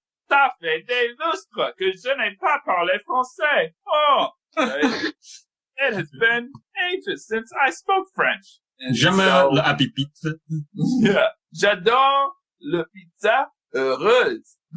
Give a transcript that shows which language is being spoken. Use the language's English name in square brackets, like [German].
[French] Ça fait des lustres que je n'ai pas parlé français. [English] Oh, right. It has been ages since I spoke French. [French] J'aime le [English] happy pizza. Yeah. [French] J'adore le pizza heureuse.